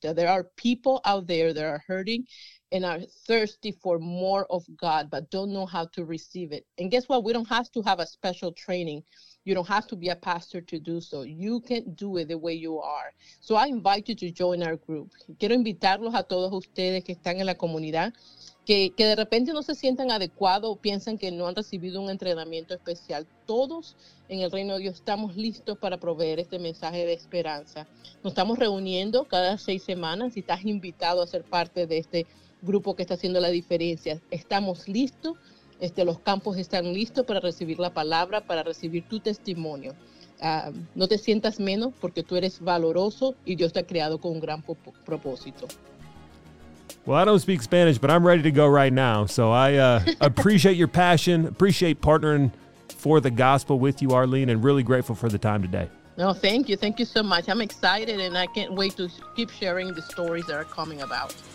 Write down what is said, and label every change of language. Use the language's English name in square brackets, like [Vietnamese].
[English] There are people out there that are hurting and are thirsty for more of God but don't know how to receive it. And guess what? We don't have to have a special training. You don't have to be a pastor to do so. You can do it the way you are. So I invite you to join our group. [Spanish] Quiero invitarlos a todos ustedes que están en la comunidad, que de repente no se sientan adecuados o piensan que no han recibido un entrenamiento especial. Todos en el Reino de Dios estamos listos para proveer este mensaje de esperanza. Nos estamos reuniendo cada 6 semanas y estás invitado a ser parte de este grupo que está haciendo la diferencia. Estamos listos. Los campos están listos para recibir la palabra, para recibir tu testimonio. No te sientas menos porque tú eres valoroso y Dios te ha creado con un gran propósito. [English] Well, I don't speak Spanish, but I'm ready to go right now. So I appreciate your passion, appreciate partnering for the gospel with you, Arlene, and really grateful for the time today. No, thank you. Thank you so much. I'm excited and I can't wait to keep sharing the stories that are coming about.